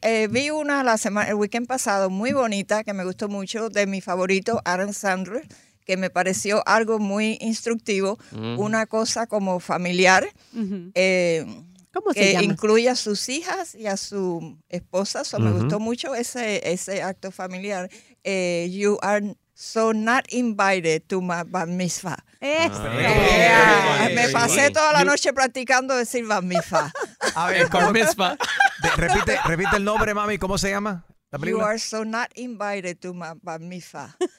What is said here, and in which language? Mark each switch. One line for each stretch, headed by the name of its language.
Spanish: Vi una el weekend pasado muy bonita, que me gustó mucho, de mi favorito, Adam Sandler, que me pareció algo muy instructivo, una cosa como familiar. Uh-huh. ¿Cómo que se llama? Incluye a sus hijas y a su esposa. So, me gustó mucho ese acto familiar.
English: You are so not invited to my bat mitzvah.
Spanish: Me pasé toda la noche practicando decir bat mitzvah. A ver, bat mitzvah. Repite el nombre, mami. ¿Cómo se llama?
English: You are so not invited to my bat mitzvah.